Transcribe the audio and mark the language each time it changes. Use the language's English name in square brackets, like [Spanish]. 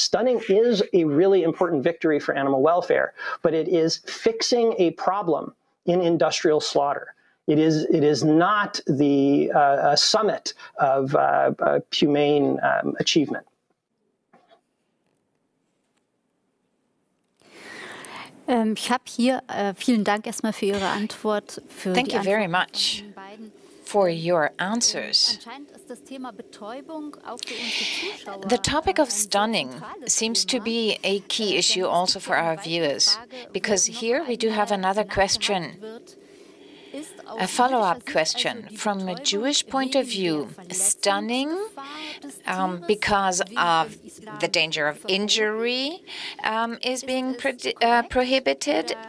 [English] Stunning is a really important victory for animal welfare, but it is fixing a problem in industrial slaughter. It is not the summit of humane achievement. [German] Ich habe hier vielen Dank erstmal für Ihre Antwort. Für [English] Thank you very much for your answers. The topic of stunning seems to be a key issue also for our viewers, because here we do have another question, a follow-up question. From a Jewish point of view, stunning because of the danger of injury is being prohibited.